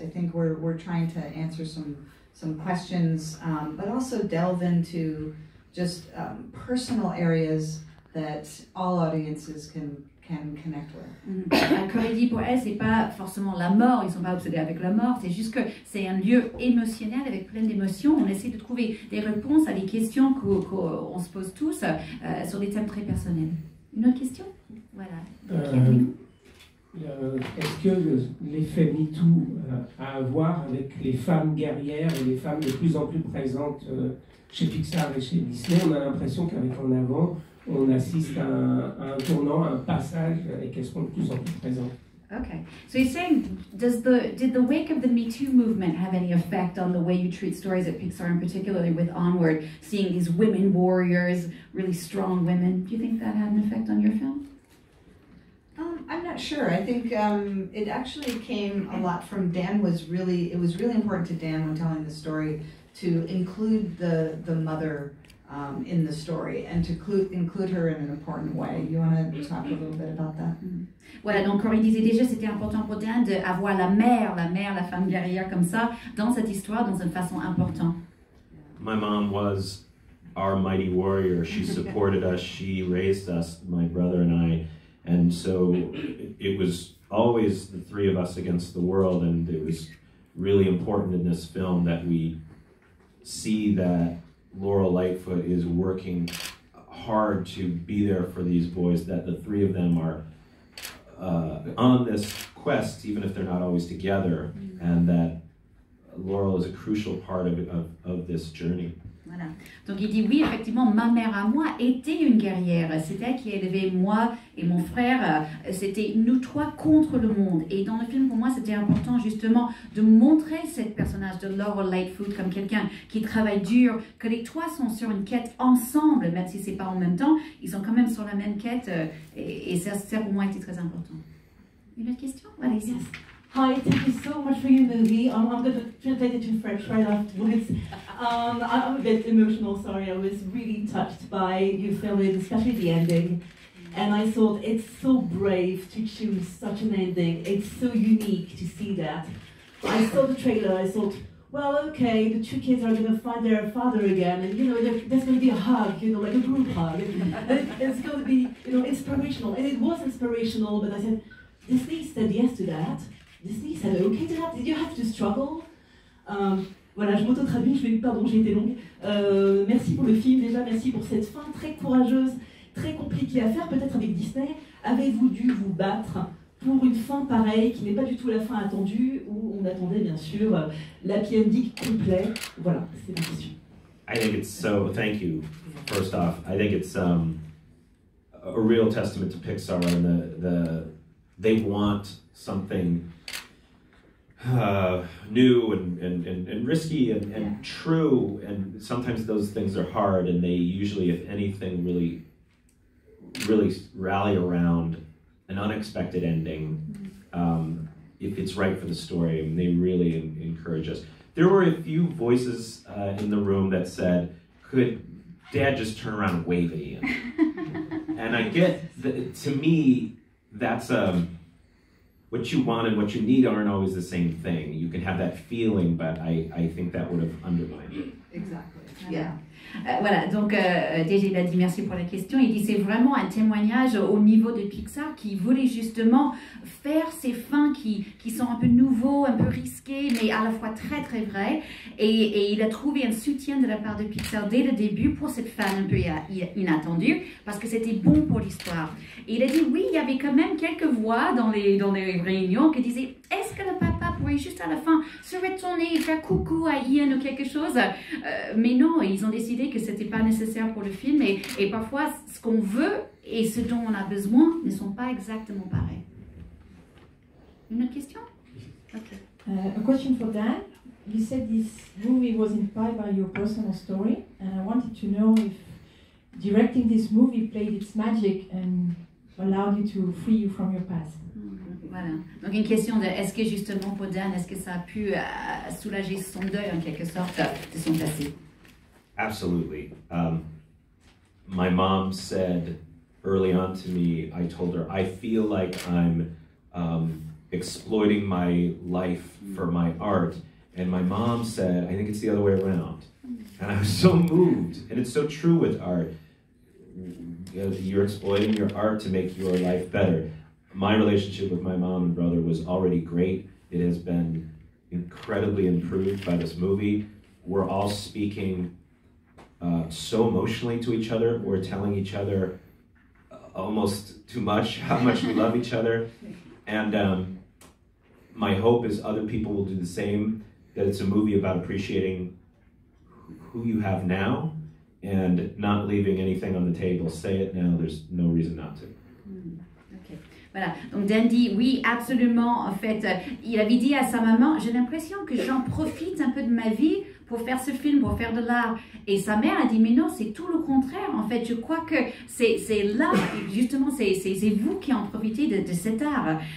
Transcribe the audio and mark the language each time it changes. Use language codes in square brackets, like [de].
[en] I think we're trying to answer some questions, but also delve into just personal areas that all audiences can connect with. [fr] Comme dit pour elle, c'est pas forcément la mort. Ils sont pas obsédés avec la mort. C'est juste que c'est un lieu émotionnel avec plein d'émotions. On essaie de trouver des réponses à des questions qu'on se pose tous sur des thèmes très personnels. Une autre question? Voilà. Est-ce que l'effet MeToo a à voir avec les femmes guerrières et les femmes de plus en plus présentes chez Pixar et chez Disney? On a l'impression qu'avec En Avant, on assiste à un tournant, à un passage, et qu'elles seront de plus en plus présentes. [en] Okay. So he's saying, did the wake of the Me Too movement have any effect on the way you treat stories at Pixar, and particularly with Onward, seeing these women warriors, really strong women? Do you think that had an effect on your film? I'm not sure. I think it actually came a lot from Dan. It was really important to Dan when telling the story to include the mother in the story and to include her in an important way. You want to talk a little bit about that? [fr] Voilà, donc comme il disait déjà, c'était important pour Dan d'avoir la mère, la femme guerrière comme ça, dans cette histoire, dans une façon importante. [en] My mom was our mighty warrior. She supported us. She raised us, my brother and I. And so it was always the three of us against the world, and it was really important in this film that we see that Laurel Lightfoot is working hard to be there for these boys, that the three of them are on this quest, even if they're not always together, and that Laurel is a crucial part of this journey. [fr] Voilà. Donc il dit oui, effectivement, ma mère à moi était une guerrière. C'était elle qui élevait moi et mon frère. C'était nous trois contre le monde. Et dans le film, pour moi, c'était important justement de montrer cette personnage de Laurel Lightfoot comme quelqu'un qui travaille dur, que les trois sont sur une quête ensemble, même si c'est pas en même temps, ils sont quand même sur la même quête. Et ça, pour moi, était très important. Une autre question? Allez-y. [en] Yes. Hi, thank you so much for your movie. I'm going to translate it to French right afterwards. I'm a bit emotional, sorry. I was really touched by your film, especially the ending. And I thought it's so brave to choose such an ending. It's so unique to see that. I saw the trailer, I thought, well, okay, the two kids are going to find their father again. And, you know, there's going to be a hug, you know, like a group hug. And it's going to be, you know, inspirational. And it was inspirational, but I said, Disney said yes to that. Disney said okay to that. Did you have to struggle? [fr] Voilà, je m'auto-traduis, j'ai été longue. Merci pour le film, déjà, merci pour cette fin très courageuse, très compliquée à faire, peut-être avec Disney. Avez-vous dû vous battre pour une fin pareille, qui n'est pas du tout la fin attendue, où on attendait, bien sûr, l'happy ending complet? Voilà, c'est ma question. [en] I think it's so, thank you, first off. I think it's a real testament to Pixar and they want something new and risky and yeah. True, and sometimes those things are hard, and they usually, if anything, really, really rally around an unexpected ending, if it's right for the story, and they really encourage us. There were a few voices in the room that said, could Dad just turn around and wave at Ian? And I get, to me, that's a... what you want and what you need aren't always the same thing. You can have that feeling, but I think that would have undermined it. Exactly. Yeah. [fr] Voilà, donc DJ l'a dit, merci pour la question. Il dit c'est vraiment un témoignage au niveau de Pixar qui voulait justement faire ces fins qui sont un peu nouveaux, un peu risqués, mais à la fois très très vrais. Et il a trouvé un soutien de la part de Pixar dès le début pour cette fin un peu inattendue, parce que c'était bon pour l'histoire. Et il a dit oui, il y avait quand même quelques voix dans les réunions qui disaient est-ce que le papa pourrait juste à la fin se retourner et faire coucou à Ian ou quelque chose? Mais non, ils ont décidé que ce n'était pas nécessaire pour le film, et parfois ce qu'on veut et ce dont on a besoin ne sont pas exactement pareils. Une autre question? [en] Okay. A question for Dan. You said this movie was inspired by your personal story, and I wanted to know if directing this movie played its magic and allowed you to free you from your past. [fr] Voilà. Donc une question de, est-ce que justement pour Dan, est-ce que ça a pu soulager son deuil en quelque sorte de son passé? [en] Absolutely. My mom said early on to me, I told her, I feel like I'm exploiting my life for my art. And my mom said, I think it's the other way around. And I was so moved. And it's so true with art. You're exploiting your art to make your life better. My relationship with my mom and brother was already great. It has been incredibly improved by this movie. We're all speaking so emotionally to each other. We're telling each other almost too much how much we love each other. And my hope is other people will do the same, that it's a movie about appreciating who you have now and not leaving anything on the table. Say it now, there's no reason not to. [fr] Voilà, donc Dan dit oui, absolument. En fait, il avait dit à sa maman, j'ai l'impression que j'en profite un peu de ma vie pour faire ce film, pour faire de l'art. Et sa mère a dit, mais non, c'est tout le contraire. En fait, je crois que c'est là, justement, c'est vous qui en profitez de cet art.